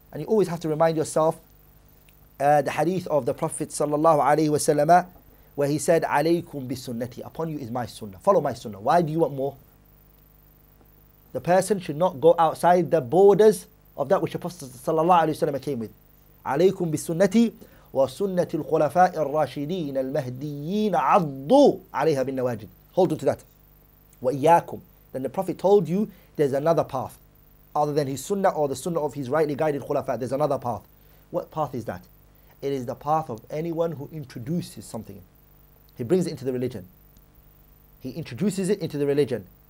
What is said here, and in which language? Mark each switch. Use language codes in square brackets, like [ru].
[en] And you always have to remind yourself the hadith of the Prophet ﷺ, where he said, [ar] عَلَيْكُمْ بِسُنَّتِي, [en] upon you is my sunnah. Follow my sunnah. Why do you want more? The person should not go outside the borders of that which the Prophet sallallahu alaihi wasallam came with. [ar] عليكم بسنتي وسنة الخلفاء الراشدين المهديين عضوا عليها بالنواجد. [en] Hold on to that. وإياكم. Then the Prophet told you there's another path other than his sunnah or the sunnah of his rightly guided khulafa. There's another path. What path is that? It is the path of anyone who introduces something. He brings it into the religion. He introduces it into the religion.